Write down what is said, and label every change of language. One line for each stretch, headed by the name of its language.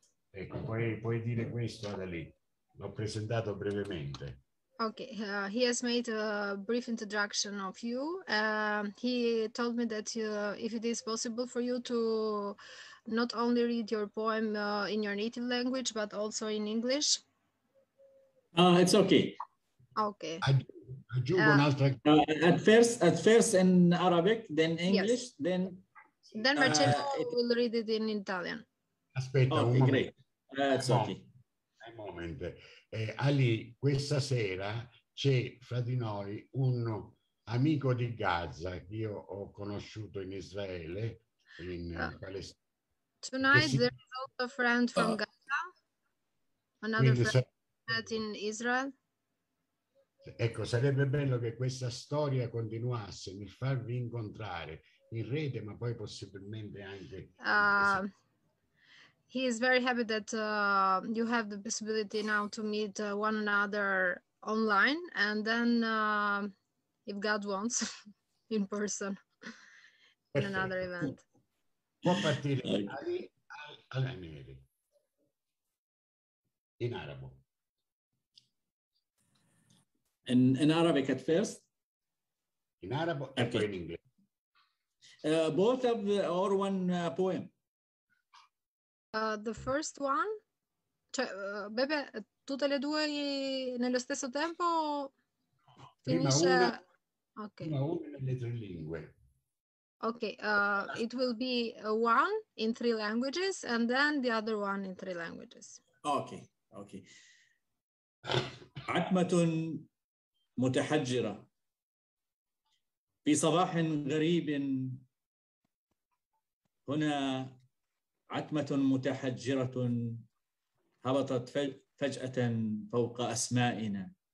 Italian: Ecco, puoi dire questo ad Ali, l'ho presentato brevemente.
English: Ok, he has made a brief introduction of you. He told me that if it is possible for you to not only read your poem in your native language, but also in English. It's okay. Okay. At first in Arabic, then English, yes. Then Marcello will read it in Italian.
Italian: Aspetta,
English: okay,
Italian: un momento.
English: Great. It's no, okay.
Italian: Un momento. Ali, questa sera c'è fra di noi un amico di Gaza che io ho conosciuto in Israele, in Palestina.
English: Tonight there is also a friend from Gaza. Another friend. In Israel.
Italian: Ecco, sarebbe bello che questa storia continuasse nel farvi incontrare in rete, ma poi possibilmente anche.
English: He is very happy that you have the possibility now to meet one another online, and then if God wants, in person.
Italian: Perfetto.
English: In another event.
Italian: Può partire al-Ameri in arabo.
English: In Arabic at first. In Arab or okay. In English? Both of the, or one poem. The first one?
Italian: Cioè, Bebe, tutte le due nello stesso tempo? Finisce... Prima una,
English: okay.
Italian: Prima una nelle tre lingue.
English: Okay, it will be one in three languages and then the other one in three languages. Okay, okay.
Arabic: Atmatun متحجرة في صباح غريب هنا عتمة متحجرة هبطت فجأة فوق أسمائنا